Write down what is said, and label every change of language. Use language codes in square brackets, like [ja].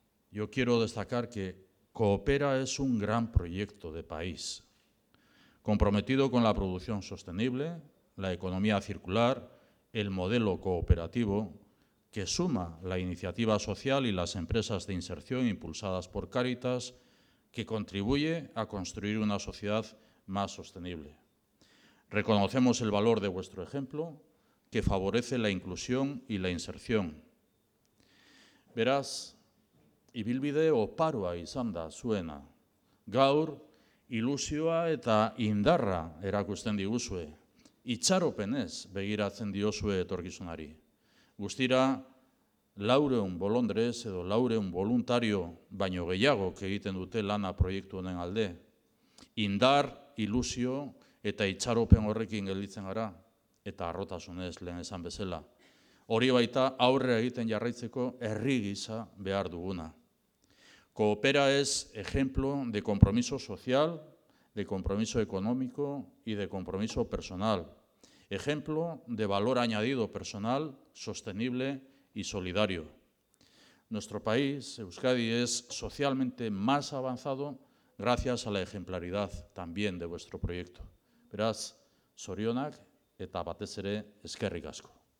[es] Yo quiero destacar que Coopera es un gran proyecto de país, comprometido con la producción sostenible, la economía circular, el modelo cooperativo, que suma la iniciativa social y las empresas de inserción impulsadas por Cáritas, que contribuye a construir una sociedad más sostenible. Reconocemos el valor de vuestro ejemplo, que favorece la inclusión y la inserción. Verás, [eu] ibilbide oparoa izan da zuena. Gaur, ilusioa eta indarra erakusten diguzue. Itxaropenez begiratzen diozue etorkizunari. Guztira, 400 bolondres edo [es] 400 voluntario [eu] baino gehiago egiten dute lana proiektu honen alde. Indar, ilusio eta itxaropen horrekin gelditzen gara, eta harrotasunez lehen esan bezala. Hori baita aurre egiten jarraitzeko herri gisa behar duguna. [es] Coopera es ejemplo de compromiso social, de compromiso económico y de compromiso personal. Ejemplo de valor añadido personal, sostenible y solidario. Nuestro país, Euskadi, es socialmente más avanzado gracias a la ejemplaridad también de vuestro proyecto. [eu] Beraz, zorionak eta batez ere eskerrik asko.